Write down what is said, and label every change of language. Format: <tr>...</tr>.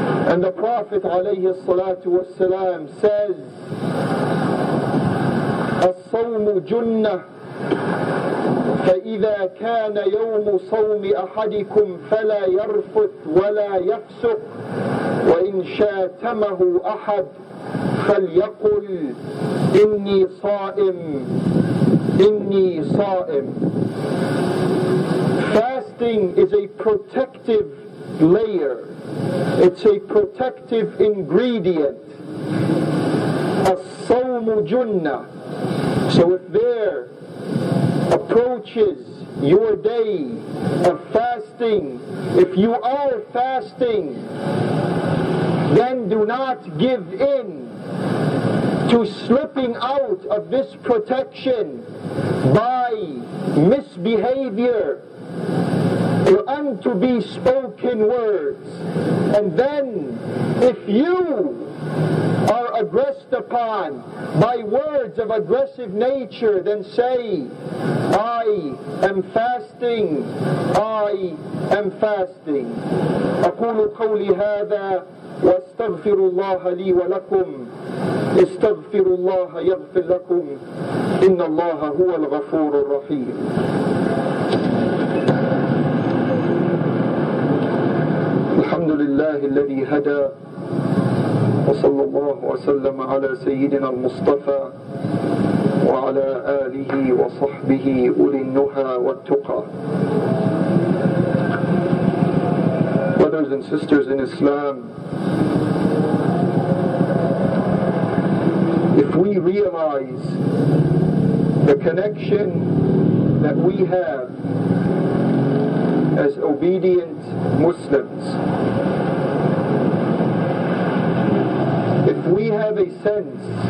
<en>And the Prophet</en> <ar>عليه الصلاة والسلام says, الصوم جنة فإذا كان يوم صوم أحدكم فلا يرفث ولا يفسق وإن شاتمه أحد فليقل إني صائم إني صائم.</ar> <en>Fasting is a protective layer. It's a protective ingredient.</en> <ar>الصوم جنة.</ar> <en>So if there approaches your day of fasting, if you are fasting, then do not give in to slipping out of this protection by misbehavior or unto-be-spoken words. And then, if you are aggressed upon by words of aggressive nature, then say, I am fasting, I am fasting.</en> <ar>أقول قولي هذا واستغفر الله لي ولكم استغفر الله يغفر لكم إن الله هو الغفور الرحيم. الحمد لله الذي هدى وصلى الله وسلم على سيدنا المصطفى وعلى آله وصحبه أولي النهى والتقى.</ar> <en>Brothers and sisters in Islam, if we realize the connection that we have as obedient Muslims, if we have a sense</en>